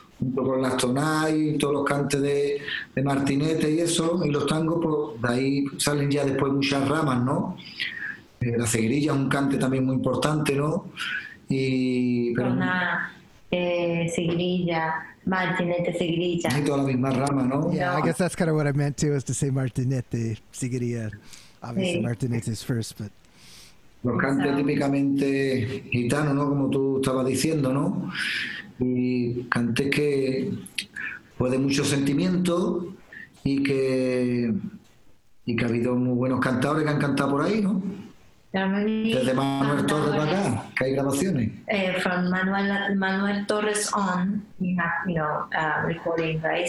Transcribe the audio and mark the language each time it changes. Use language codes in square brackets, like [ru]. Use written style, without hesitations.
[es] Junto con las tonadas y todos los cantes de Martinete y eso, y los tangos, pues de ahí salen ya después muchas ramas, ¿no? La ceguerilla es un cante también muy importante, ¿no? Y pero tonada, ceguerilla. Martinete, Siguería. Hay toda la misma rama, ¿no? [en] Yeah, [es] no. [en] I guess that's kind of what I meant too, is to say Martinete, Siguería. Obviously, [es] sí. [en] Martinete is first, but... [es] Los cantes típicamente gitanos, ¿no? Como tú estabas diciendo, ¿no? Y cantes que pues de mucho sentimiento y que ha habido muy buenos cantadores que han cantado por ahí, ¿no? Desde Manuel Torres para acá, que hay grabaciones. [en] From Manuel Torres on, you have, you know, recording, right?